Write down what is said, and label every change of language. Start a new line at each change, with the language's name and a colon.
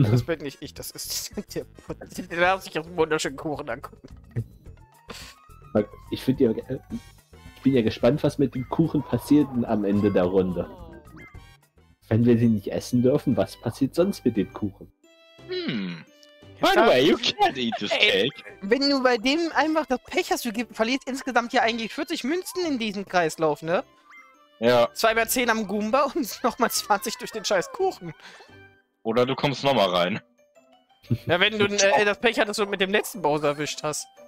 German: Das bin nicht ich, das ist der Putz. Der darf sich auf den wunderschönen Kuchen angucken. Ich finde ja. Ich bin ja gespannt, was mit dem Kuchen passiert am Ende der Runde. Wenn wir sie nicht essen dürfen, was passiert sonst mit dem Kuchen?
English: By the way, you can't eat this cake.
German: Wenn du bei dem einfach das Pech hast, du verlierst insgesamt ja eigentlich 40 Münzen in diesem Kreislauf, ne? Ja. 2 mal 10 am Goomba und nochmal 20 durch den scheiß Kuchen. Oder du kommst nochmal rein. Ja, wenn du das Pech hattest und mit dem letzten Bowser erwischt hast.